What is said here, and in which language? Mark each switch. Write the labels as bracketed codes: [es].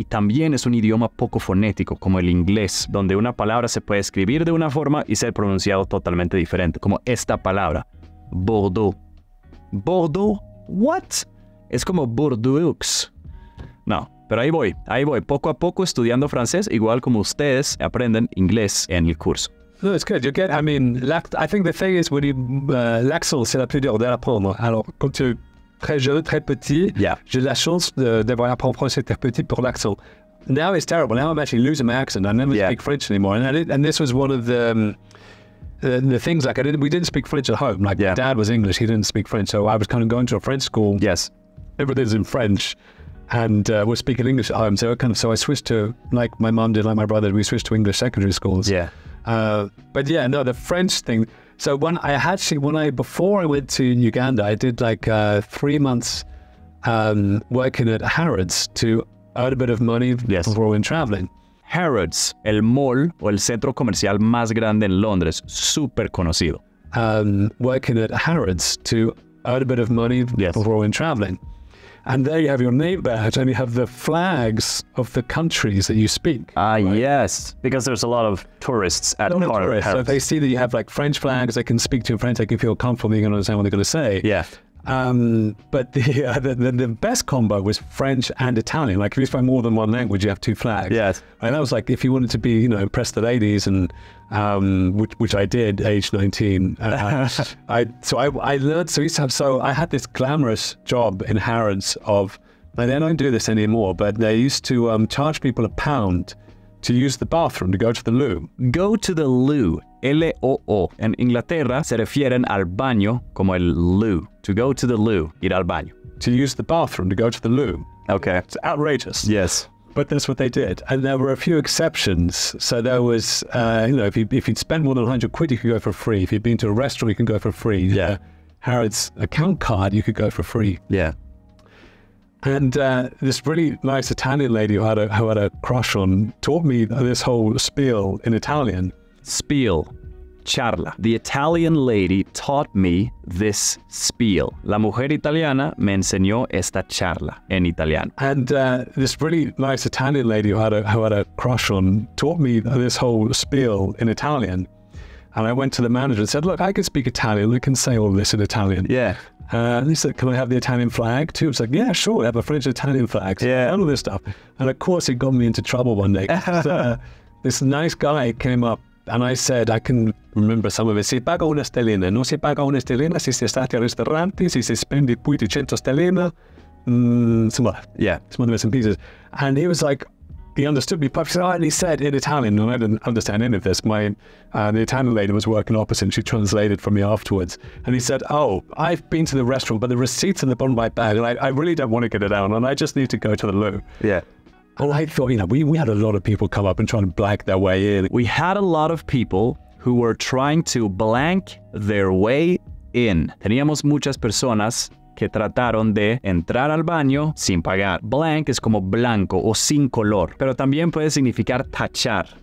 [es] Y también es un idioma poco fonético, como el inglés, donde una palabra se puede escribir de una forma y ser pronunciado totalmente diferente, como esta palabra, Bordeaux. ¿Bordeaux? ¿What? Es como Bordeaux. No. Pero ahí voy, poco a poco estudiando francés, igual como ustedes aprenden inglés en el curso. [en] No, it's good. I think the thing is, when you [fr] l'accent, c'est la plus dure d'apprendre. Alors, quand tu es très jeune, très petit, [en] yeah. [fr] J'ai la chance d'avoir appris français très petit pour l'accent. [en] Now it's terrible. Now I'm actually losing my accent. I never speak French anymore. And this was one of the things, like, we didn't speak French at home. Like, Dad was English, he didn't speak French. So I was kind of going to a French school. Yes. Everything's in French. And we're speaking English at home, so I switched to, like my mom did, like my brother, we switched to English secondary schools. Yeah. But yeah, no, the French thing. So when I actually, before I went to Uganda, I did like 3 months working at Harrods to earn a bit of money before we went traveling. [es] Harrods, el mall o el centro comercial más grande en Londres, super conocido. [en] Working at Harrods to earn a bit of money before we went traveling. And there you have your name badge, and you have the flags of the countries that you speak. Ah, right? Yes, because there's a lot of tourists at Harrods. So if they see that you have like French flags, they can speak to you in French, they can feel comfortable, they can understand what they're going to say. Yeah. But the best combo was French and Italian. Like if you speak more than one language, you have two flags. Yes. And that was like if you wanted to be, you know, impress the ladies, and which I did, age 19. So I had this glamorous job in Harrods of, and they don't do this anymore, but they used to charge people £1 to use the bathroom, to go to the loo. Go to the loo. L-O-O. [es] En Inglaterra se refieren al baño como el loo. [en] To go to the loo. [es] Ir al baño. [en] To use the bathroom, to go to the loo. Okay. It's outrageous. Yes. But that's what they did. And there were a few exceptions. So there was, if you'd spend more than 100 quid, you could go for free. If you'd been to a restaurant, you could go for free. Yeah. Harrods account card, you could go for free. Yeah. And this really nice Italian lady who had a crush on taught me this whole spiel in Italian. Spiel. charla. The Italian lady taught me this spiel. [es] La mujer italiana me enseñó esta charla en italiano. [en] And this really nice Italian lady who had a crush on taught me this whole spiel in Italian. And I went to the manager and said, look, I can speak Italian. We can say all this in Italian. Yeah. And he said, can I have the Italian flag too? I was like, yeah, sure. I have a French Italian flag. Yeah. All of this stuff. And of course, it got me into trouble one day. This nice guy came up and I said, I can remember some of it. [it] Si paga una stellina, non si paga una stellina, si si stati al ristorante, si si spendi più di 100 stellina. [en] Some of the missing pieces. And he was like, he understood me perfectly. And he said in Italian, and I didn't understand any of this. The Italian lady was working opposite and she translated for me afterwards. And he said, oh, I've been to the restaurant, but the receipt's in the bottom of my bag. And I really don't want to get it out and I just need to go to the loo. Yeah. Well, I thought, you know, we had a lot of people come up and trying to blank their way in. We had a lot of people who were trying to blank their way in. [es] Teníamos muchas personas que trataron de entrar al baño sin pagar. Blank es como blanco o sin color, pero también puede significar tachar.